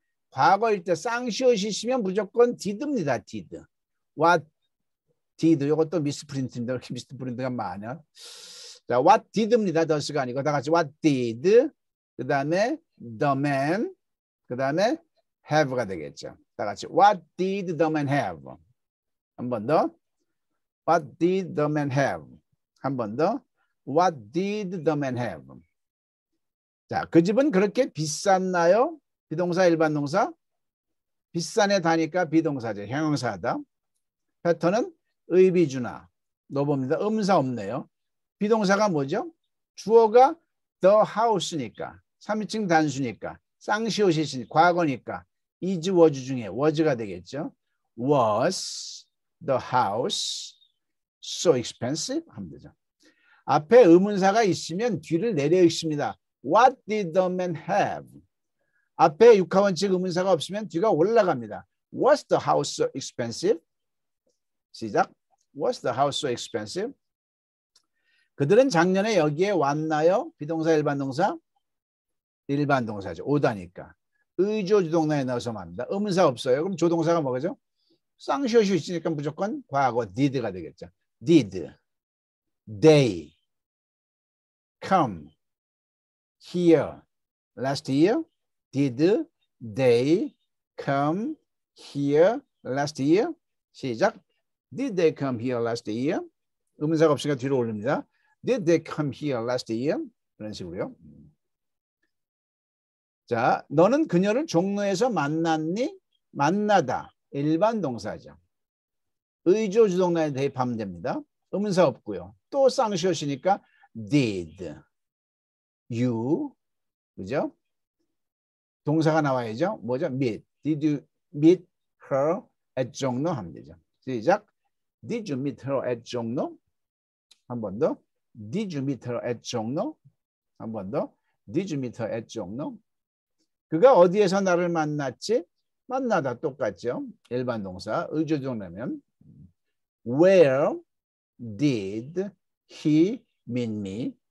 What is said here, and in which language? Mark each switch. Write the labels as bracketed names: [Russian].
[Korean] 과거일 때 쌍시옷이 있으면 무조건 did입니다. [English] did. What did [Korean] 이것도 미스프린트입니다. 이렇게 미스프린트가 많아. 자, what did입니다. does가 아니고 다 같이 what did. 그 다음에 the man. 그 다음에 have가 되겠죠. 다 같이 [English] what did the man have. [Korean] 한 번 더. [English] what did the man have. 한 번 더. what did the man have. [Korean] 자, 그 집은 그렇게 비쌌나요? 비동사 일반 동사. 비싼에 다니까 비동사죠. 형용사다. 패턴은 의비준아 넣어봅니다. 음사 없네요. 비동사가 뭐죠? 주어가 the house니까 3인칭 단수니까 쌍시옷이니까 과거니까 is, was 중에 was가 되겠죠. [English] Was the house so expensive? [Korean] 하면 되죠. 앞에 의문사가 있으면 뒤를 내려 읽습니다. [English] What did the man have? [Korean] 앞에 육하원칙 의문사가 없으면 뒤가 올라갑니다. [English] Was the house so expensive? [Korean] 시작. [English] Was the house so expensive? [Korean] 그들은 작년에 여기에 왔나요? 비동사 일반 동사? 일반 동사죠. 오다니까. 의조 주동사에 넣어서 말합니다. 음사 없어요. 그럼 조동사가 뭐죠? 쌍시옷이 있으니까 무조건 과거 did가 되겠죠. [English] Did they come here last year? Did they come here last year? [Korean] 시작. [English] Did they come here last year? [Korean] 의문사가 없으니까 뒤로 올립니다. [English] Did they come here last year? [Korean] 그런 식으로요. 자, 너는 그녀를 종로에서 만났니? 만나다. 일반 동사죠. 의조 주동사에 대입하면 됩니다. 의문사 없고요. 또 쌍시옷이니까 [English] did you [Korean] 그죠? 동사가 나와야죠. 뭐죠? Meet. [English] Did you meet her at 종로? [Korean] 하면 되죠. 시작. [English] Did you meet her at 종로? [Korean] 한 번 더. [English] Did you meet her at 종로? 한 번 더. Did you meet her at Jongno? [Korean] 그가 어디에서 나를 만났지? 만나다 똑같죠. 일반 동사 의조동라면 [English] Where did he meet me?